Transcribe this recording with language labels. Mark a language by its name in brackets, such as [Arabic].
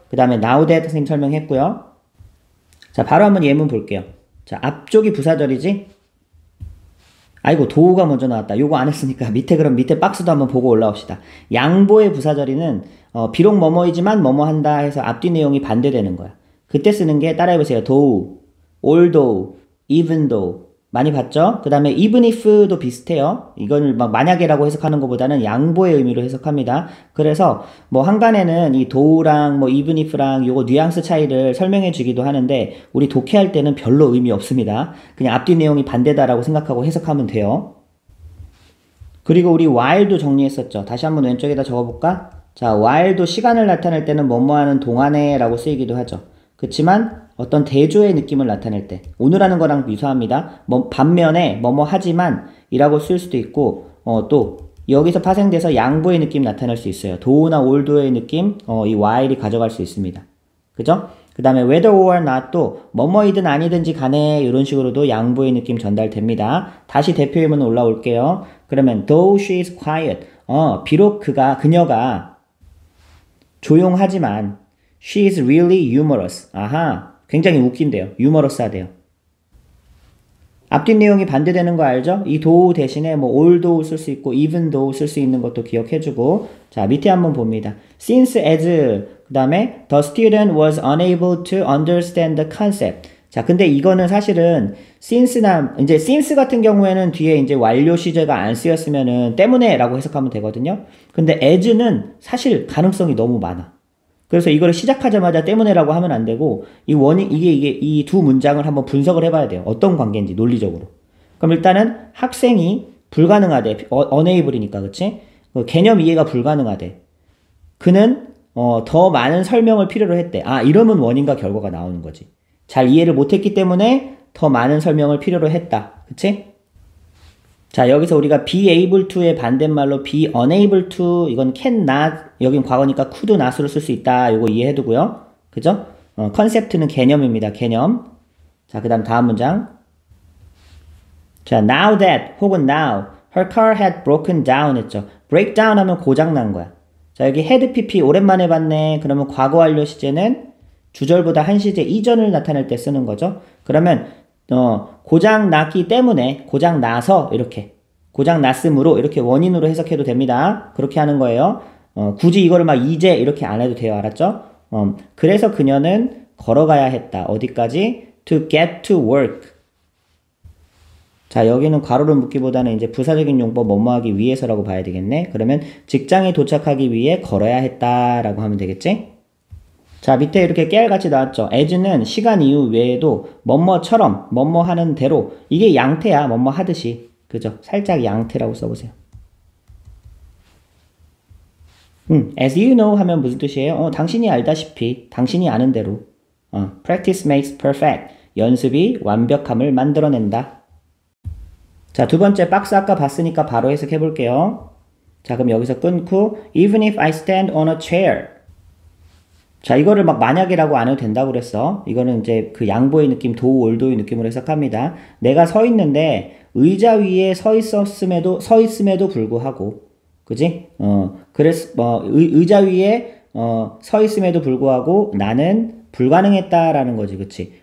[Korean] 그 다음에 now that 선생님 설명했고요. 자, 바로 한번 예문 볼게요. 자, 앞쪽이 부사절이지? 아이고, 도우가 먼저 나왔다. 요거 안 했으니까 밑에, 그럼 밑에 박스도 한번 보고 올라옵시다. 양보의 부사절이는 비록 뭐뭐이지만 뭐뭐 한다 해서 앞뒤 내용이 반대되는 거야. 그때 쓰는 게, 따라해보세요. 도우, although, even though. 많이 봤죠? 그 다음에 even if도 비슷해요. 이건 막 만약에라고 해석하는 것보다는 양보의 의미로 해석합니다. 그래서 뭐 한간에는 이 도우랑 뭐 even if랑 요거 뉘앙스 차이를 설명해 주기도 하는데 우리 독해할 때는 별로 의미 없습니다. 그냥 앞뒤 내용이 반대다라고 생각하고 해석하면 돼요. 그리고 우리 while도 정리했었죠. 다시 한번 왼쪽에다 적어볼까? 자, while도 시간을 나타낼 때는 뭐뭐하는 동안에 라고 쓰이기도 하죠. 그치만 어떤 대조의 느낌을 나타낼 때, 오늘 하는 거랑 유사합니다. 뭐 반면에 뭐뭐 하지만 이라고 쓸 수도 있고, 또 여기서 파생돼서 양보의 느낌 나타낼 수 있어요. 도우나 올도의 느낌, 이 while이 가져갈 수 있습니다. 그죠? 그 다음에 whether or not도 뭐뭐이든 아니든지 간에 이런 식으로도 양보의 느낌 전달됩니다. 다시 대표 예문 올라올게요. [English] 그러면 though she is quiet, [Korean] 비록 그녀가 조용하지만 [English] She is really humorous. [Korean] 아하, 굉장히 웃긴데요. humorous 하대요. 앞뒤 내용이 반대되는 거 알죠? 이 도우 대신에 뭐 all 도우 쓸 수 있고 even 도우 쓸 수 있는 것도 기억해주고, 자, 밑에 한번 봅니다. [English] since, as, [Korean] 그 다음에 [English] the student was unable to understand the concept. [Korean] 자, 근데 이거는 사실은 since나, 이제 since 같은 경우에는 뒤에 이제 완료 시제가 안 쓰였으면은 때문에 라고 해석하면 되거든요. 근데 as는 사실 가능성이 너무 많아. 그래서 이걸 시작하자마자 때문에라고 하면 안 되고, 이 원인, 이게 이 두 문장을 한번 분석을 해봐야 돼요. 어떤 관계인지 논리적으로. 그럼 일단은 학생이 불가능하대. unable이니까, 그치? 개념 이해가 불가능하대. 그는 더 많은 설명을 필요로 했대. 아, 이러면 원인과 결과가 나오는 거지. 잘 이해를 못했기 때문에 더 많은 설명을 필요로 했다. 그치? 자, 여기서 우리가 be able to의 반대말로 be unable to, 이건 cannot, 여긴 과거니까 could not으로 쓸 수 있다. 요거 이해해두고요. 그죠? 컨셉트는 개념입니다. 개념. 자, 그 다음 다음 문장. [English] 자, now that [Korean] 혹은 [English] now, her car had broken down 했죠. [Korean] breakdown 하면 고장난 거야. 자, 여기 had pp 오랜만에 봤네. 그러면 과거 완료 시제는 주절보다 한 시제 이전을 나타낼 때 쓰는 거죠. 그러면 고장 났기 때문에, 고장 나서 이렇게, 고장 났으므로 이렇게 원인으로 해석해도 됩니다. 그렇게 하는 거예요. 굳이 이거를 막 이제 이렇게 안 해도 돼요. 알았죠? 그래서 그녀는 걸어가야 했다. 어디까지? [English] To get to work. [Korean] 자, 여기는 괄호를 묶기보다는 이제 부사적인 용법 뭐뭐하기 위해서라고 봐야 되겠네. 그러면 직장에 도착하기 위해 걸어야 했다라고 하면 되겠지? 자, 밑에 이렇게 깨알같이 나왔죠. as는 시간 이후 외에도 뭐뭐처럼 뭐뭐하는 대로 이게 양태야. 뭐뭐하듯이. 그죠? 살짝 양태라고 써보세요. [English] as you know [Korean] 하면 무슨 뜻이에요? 당신이 알다시피, 당신이 아는 대로. [English] practice makes perfect. [Korean] 연습이 완벽함을 만들어낸다. 자, 두 번째 박스 아까 봤으니까 바로 해석해 볼게요. 자, 그럼 여기서 끊고, [English] even if I stand on a chair. [Korean] 자, 이거를 막 만약이라고 안 해도 된다고 그랬어. 이거는 이제 그 양보의 느낌, 도, 올도의 느낌으로 해석합니다. 내가 서 있는데 의자 위에 서 있음에도 불구하고, 그지? 그래서 뭐 의자 위에 서 있음에도 불구하고 나는 불가능했다라는 거지, 그치?